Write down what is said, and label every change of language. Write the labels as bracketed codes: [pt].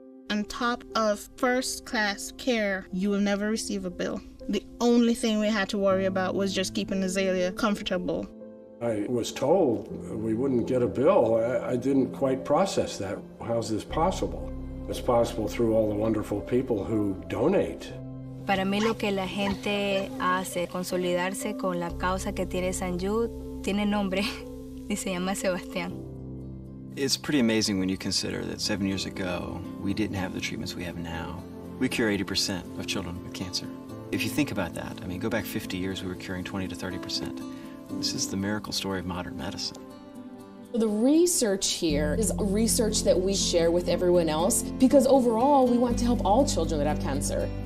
[en] On top of first-class care, you will never receive a bill. The only thing we had to worry about was just keeping Azalea comfortable. I was told we wouldn't get a bill. I didn't quite process that. How's this possible? It's possible through all the wonderful people who donate. [es] Para mí lo que la gente hace, consolidarse con la causa que tiene San Jude, tiene nombre y se llama Sebastián. [en] It's pretty amazing when you consider that 7 years ago, we didn't have the treatments we have now. We cure 80% of children with cancer. If you think about that, I mean, go back 50 years, we were curing 20 to 30%. This is the miracle story of modern medicine. The research here is research that we share with everyone else because overall, we want to help all children that have cancer.